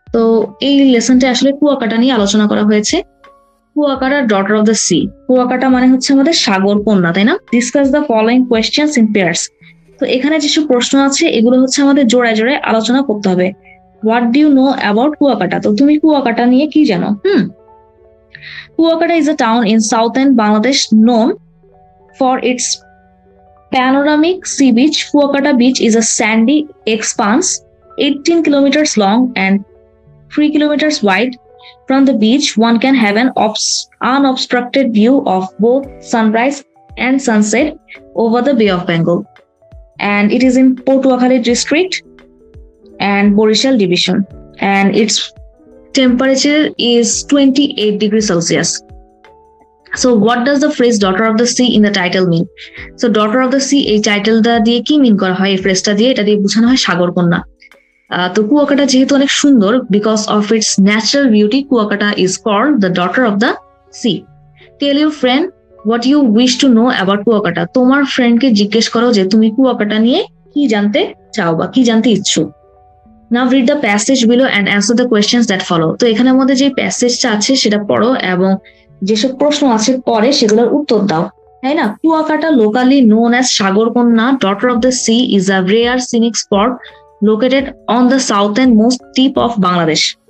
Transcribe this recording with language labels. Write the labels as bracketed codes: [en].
[bn] তো এই লেসনটা আসলে কুয়াকাটা নিয়ে আলোচনা করা হয়েছে। Kuakata, [en] Daughter of the sea. [bn] Kuakata মানে হচ্ছে আমাদের সাগর কন্যা, তাই না? [en] Discuss the following questions in pairs. [bn] তো এখানে যেসব প্রশ্ন আছে এগুলো হচ্ছে আমাদের জোড়ায় জোড়ায় আলোচনা করতে হবে। [en] What do you know about Kuakata? [bn] তো তুমি কুয়াকাটা নিয়ে কি জানো? [en] Kuakata is a town in southern Bangladesh known for its panoramic sea beach. Kuakata beach is a sandy expanse 18 kilometers long and 3 kilometers wide. From the beach, one can have an unobstructed view of both sunrise and sunset over the Bay of Bengal. And it is in Potuakhali district and Borishal division. And it's temperature is 28 degrees Celsius. So what does the phrase daughter of the sea in the title mean? So daughter of the sea, [bn] এই টাইটেলটা দিয়ে কি মিন করা হয়? এই ফ্রেজটা দিয়ে এটা দিয়ে বোঝানো হয় সাগর কন্যা। তো কুয়াকাটা যেহেতু অনেক সুন্দর, [en] Because of its natural beauty Kuakata is called the daughter of the sea. Tell your friend what you wish to know about Kuakata. [bn] তোমার ফ্রেন্ডকে জিজ্ঞেস করো যে তুমি কুয়াকাটা নিয়ে কি জানতে চাও বা কি জানতে ইচ্ছুক। [en] Now read the passage below and answer the questions that follow. [bn] তো এখানে আমাদের যে প্যাসেজটা আছে সেটা পড়ো এবং যেসব প্রশ্ন আছে পরে সেগুলোর উত্তর দাও, তাই না? [en] Kuakata, locally known as Sagar Kanya, daughter of the sea, is a rare scenic spot located on the south end most tip of Bangladesh.